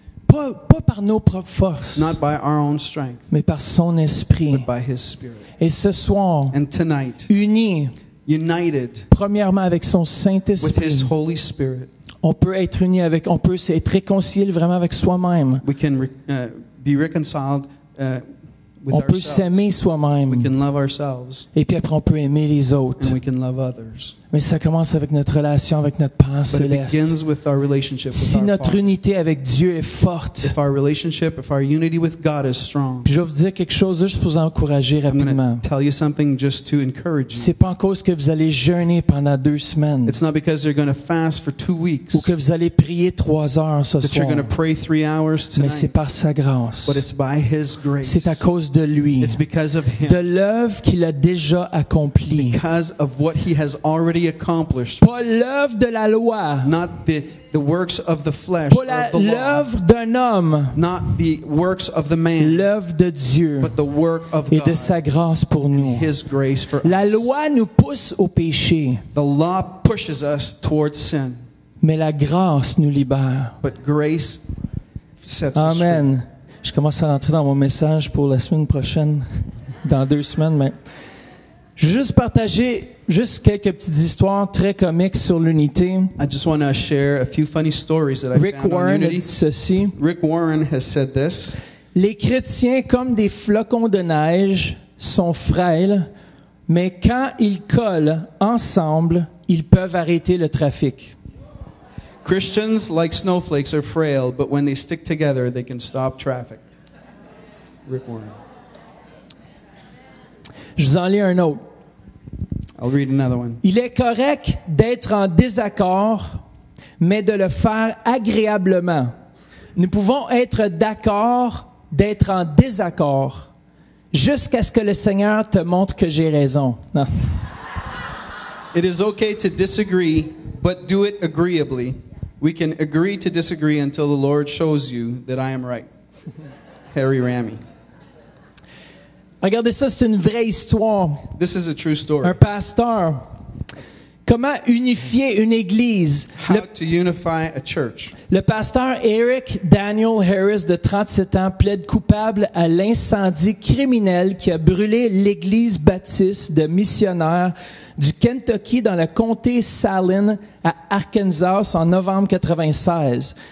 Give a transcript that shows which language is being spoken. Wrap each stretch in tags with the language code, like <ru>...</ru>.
<fr>Pas par nos propres forces,</fr> <en>not by our own strength,</en> <fr>mais par son esprit,</fr> <en>but by his spirit.</en> <fr>Et ce soir,</fr> <en>and tonight,</en> <fr>unis,</fr> <en>united,</en> <fr>premièrement avec son Saint-Esprit,</fr> <en>with his Holy Spirit,</en> <fr>on peut être unis avec, on peut être réconcilié vraiment avec soi-même.</fr> <en>We can be reconciled with</en> <fr>on peut s'aimer soi-même.</fr> <en>We can love ourselves.</en> <fr>Et puis après, on peut aimer les autres.</fr> <en>And we can love others.</en> <fr>Mais ça commence avec notre relation avec notre Père Céleste.</fr> <en>But it begins with our relationship with</en> <fr>si</fr> <en>our</en> <fr>notre</fr> <en>Father.</en> <fr>Unité avec Dieu est forte,</fr> <en>if our relationship, if our unity with God is strong,</en> <fr>puis je vais vous dire quelque chose juste pour vous encourager rapidement.</fr> <en>I'm going to tell you something just to encourage you.</en> <fr>C'est pas en cause que vous allez jeûner pendant deux semaines.</fr> <en>It's not because you're going to fast for 2 weeks.</en> <fr>Ou que vous allez prier trois heures ce</fr> <en>that</en> <fr>soir.</fr> <en>That you're going to pray 3 hours tonight.</en> <fr>Mais c'est par sa grâce.</fr> <en>But it's by his grace.</en> <fr>C'est à cause de lui.</fr> <en>It's because of him.</en> <fr>De l'œuvre qu'il a déjà accomplie.</fr> <en>Because of what he has already accomplished.</en> <fr>Pas l'œuvre de la loi.</fr> <en>Not the works of the flesh</en> <fr>pas la,</fr> <en>or of the law.</en> <fr>L'œuvre d'un homme.</fr> <en>Not the works of the man.</en> <fr>L'œuvre de Dieu.</fr> <en>But the work of</en> <fr>et</fr> <en>God.</en> <fr>De sa grâce pour</fr> <en>and</en> <fr>nous.</fr> <en>His grace for</en> <fr>la</fr> <en>us.</en> <fr>Loi nous pousse au péché.</fr> <en>The law pushes us towards sin.</en> <fr>Mais la grâce nous libère.</fr> <en>But grace sets Amen. Us free. Amen.</en> <fr>Je commence à rentrer dans mon message pour la semaine prochaine. Dans deux semaines, mais... Je veux juste partager juste quelques petites histoires très comiques sur l'unité.</fr> <en>I just want to share a few funny stories that I found on Unity.</en> <fr>Rick Warren a dit ceci.</fr> <en>Rick Warren has said this.</en> <fr>Les chrétiens, comme des flocons de neige, sont frêles, mais quand ils collent ensemble, ils peuvent arrêter le trafic.</fr> <en>Christians, like snowflakes, are frail, but when they stick together, they can stop traffic. Rick Warren.</en> <fr>Je vous en lis un autre.</fr> <en>I'll read another one.</en> <fr>Il est correct d'être en désaccord, mais de le faire agréablement. Nous pouvons être d'accord d'être en désaccord jusqu'à ce que le Seigneur te montre que j'ai raison. Non.</fr> <en>It is okay to disagree, but do it agreeably. We can agree to disagree until the Lord shows you that I am right. Harry Ramey.</en> <fr>Regardez ça, c'est une vraie histoire.</fr> <en>This is a true story.</en> <fr>Un pasteur. Comment unifier une église?</fr> <en>To unify a church.</en> <fr>Le pasteur Eric Daniel Harris, de 37 ans, plaide coupable à l'incendie criminel qui a brûlé l'église baptiste de missionnaires du Kentucky dans le comté Saline à Arkansas en novembre 1996.</fr>